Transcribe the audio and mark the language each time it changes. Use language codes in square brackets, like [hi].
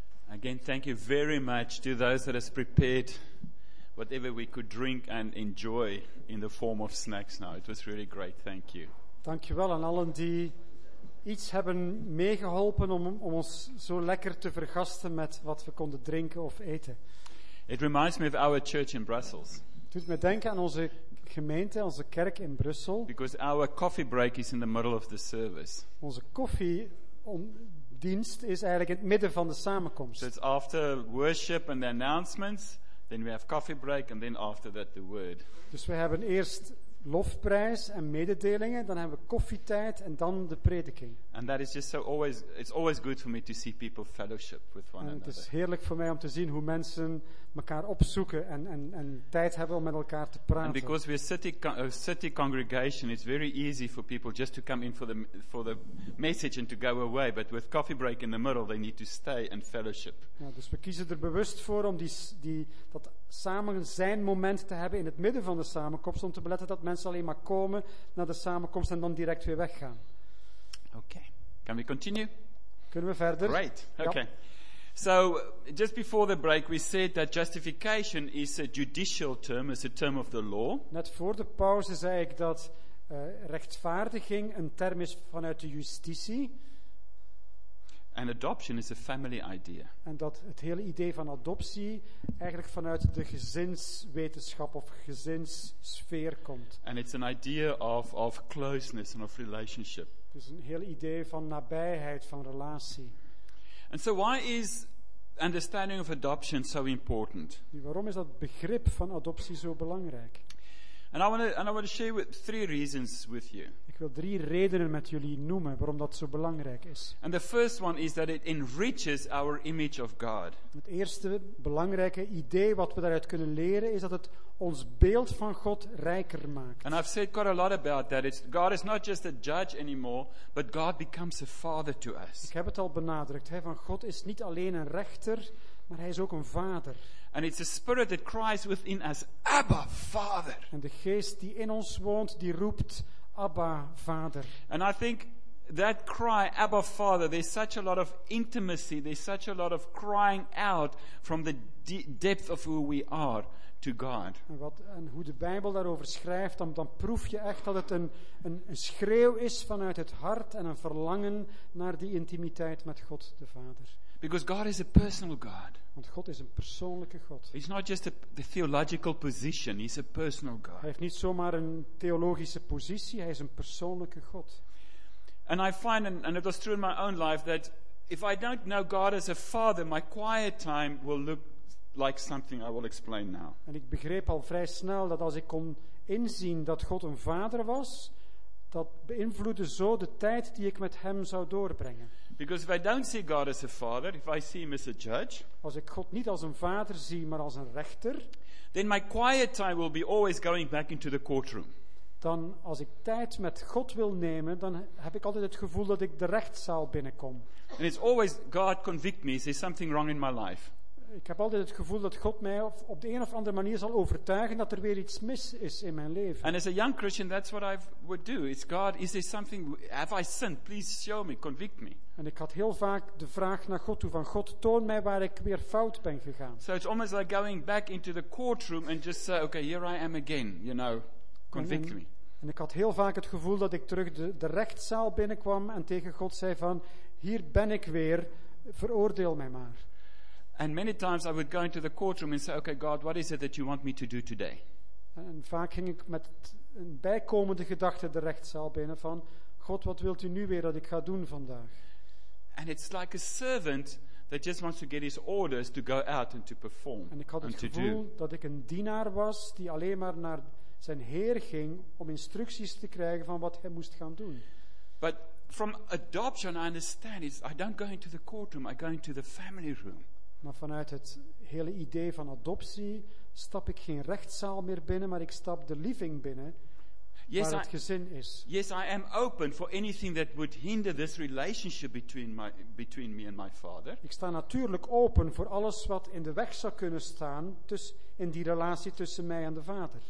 [en] Again, thank you very much to those that has prepared whatever we could drink and enjoy in the form of snacks now. It was really great. Thank you. [nl] Dankjewel aan allen die iets hebben meegeholpen om ons zo lekker te vergasten met wat we konden drinken of eten. [en] It reminds me of our church in Brussels. [nl] Het doet me denken aan onze gemeente, onze kerk in Brussel. [en] Because our coffee break is in the middle of the service. [nl] Onze koffie dienst is eigenlijk in het midden van de samenkomst. [en] So it's after worship and the announcements, then we have coffee break and then after that the word. [nl] Dus we hebben eerst lofprijs en mededelingen, dan hebben we koffietijd en dan de prediking. [en] And that is just so always, it's always good for me to see people fellowship with one another. [nl] Het is heerlijk voor mij om te zien hoe mensen elkaar opzoeken en tijd hebben om met elkaar te praten. [en] And because we're a city congregation, it's very easy for people just to come in for the message and to go away. But with coffee break in the middle, they need to stay and fellowship. [nl] Ja, dus we kiezen er bewust voor om dat samen zijn moment te hebben in het midden van de samenkomst, om te beletten dat mensen alleen maar komen naar de samenkomst en dan direct weer weggaan. [en] Oké. Okay. Can we continue? [nl] Kunnen we verder? Great. Oké. Okay. Ja. [en] So, just before the break, we said that justification is a judicial term, is a term of the law. [nl] Net voor de pauze zei ik dat rechtvaardiging een term is vanuit de justitie. [en] And adoption is a family idea. [nl] En dat het hele idee van adoptie eigenlijk vanuit de gezinswetenschap of gezinssfeer komt. [en] And it's an idea of closeness and of relationship. [nl] Dus een hele idee van nabijheid, van relatie. [en] And so why is understanding of adoption so important? [nl] Waarom is dat begrip van adoptie zo belangrijk? [en] And I want to share with three reasons with you. [nl] Ik wil drie redenen met jullie noemen waarom dat zo belangrijk is. [en] And the first one is that it enriches our image of God. [nl] Het eerste belangrijke idee wat we daaruit kunnen leren is dat het ons beeld van God rijker maakt. [en] And I've said quite a lot about that. God is not just a judge anymore, but God becomes a father to us. [nl] Ik heb het al benadrukt, hè, van God is niet alleen een rechter, maar hij is ook een vader. [en] And it's a spirit that cries within us, Abba, Father. [nl] En de geest die in ons woont, die roept, Abba, Vader. [en] And I think that cry, Abba, Father, there's such a lot of intimacy, there's such a lot of crying out from the depth of who we are to God. [nl] En hoe de Bijbel daarover schrijft, dan proef je echt dat het een schreeuw is vanuit het hart en een verlangen naar die intimiteit met God de Vader. [en] Because God is a personal God. [nl] Want God is een persoonlijke God. [en] He's not just the theological position, he's a personal God. [nl] Hij heeft niet zomaar een theologische positie, hij is een persoonlijke God. [en] And I find, and it was true in my own life, that if I don't know God as a father, my quiet time will look like something I will explain now. [nl] En ik begreep al vrij snel dat als ik kon inzien dat God een vader was, dat beïnvloedde zo de tijd die ik met hem zou doorbrengen. [en] Because if I don't see God as a father, if I see him as a judge, [nl] als ik God niet als een vader zie, maar als een rechter, [en] then my quiet time will be always going back into the courtroom. [nl] Dan als ik tijd met God wil nemen, dan heb ik altijd het gevoel dat ik de rechtszaal binnenkom. [en] And it's always God convict me, there's something wrong in my life. [nl] Ik heb altijd het gevoel dat God mij op de een of andere manier zal overtuigen dat er weer iets mis is in mijn leven. [en] And as a young Christian, that's what I would do. It's God, is there something, have I sinned? Please show me, convict me. [nl] En ik had heel vaak de vraag naar God toe van God, toon mij waar ik weer fout ben gegaan. [en] So it's almost like going back into the courtroom and just say, okay, here I am again, you know, convict me. [nl] En ik had heel vaak het gevoel dat ik terug de rechtszaal binnenkwam en tegen God zei van, hier ben ik weer, veroordeel mij maar. [en] And many times I would go into the courtroom and say, okay, God, what is it that you want me to do today? [nl] En vaak ging ik met een bijkomende gedachte de rechtszaal binnen van, God, wat wilt u nu weer dat ik ga doen vandaag? [en] And it's like a servant that just wants to get his orders to go out and to perform. [nl] En ik had het gevoel dat ik een dienaar was die alleen maar naar zijn heer ging om instructies te krijgen van wat hij moest gaan doen. [en] But from adoption I understand is I don't go into the courtroom, I go into the family room. [nl] Maar vanuit het hele idee van adoptie stap ik geen rechtszaal meer binnen, maar ik stap de living binnen. [en] Yes, [nl] waar het gezin is. [en] Yes, I am open for anything that would hinder this relationship between me and my father. [nl] Ik sta natuurlijk open voor alles wat in de weg zou kunnen staan in die relatie tussen mij en de vader.